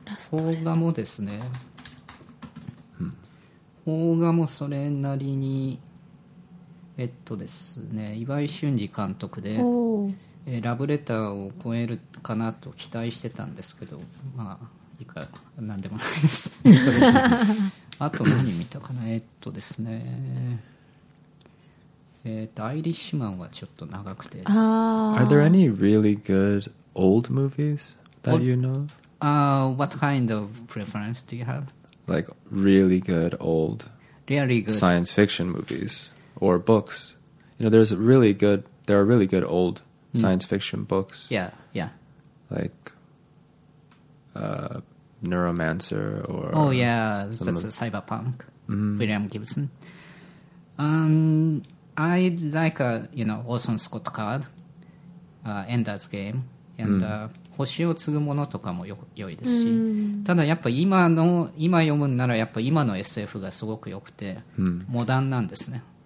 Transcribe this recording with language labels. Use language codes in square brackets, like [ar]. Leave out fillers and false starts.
[ja] 邦画もですね、邦画もそれなりに、ですね、岩井俊二監督で、ラブレターを超えるかなと期待してたんですけど、まあ、いいか、なんでもないです。あと何見たかな、ですね、アイリッシュマンはちょっと長くて。 [en] Are there any really good old movies that you know? What kind of preference do you have? Like really good old, really good science fiction movies or books. You know, there's really good. There are really good old science fiction books. Yeah, yeah. Like, Neuromancer or that's a cyberpunk. William Gibson. I like Orson Scott Card, Ender's Game, and. [ja] 星を継ぐものとかも良いですし、ただやっぱ今読むならやっぱ今の SF がすごく良くて、モダンなんですね。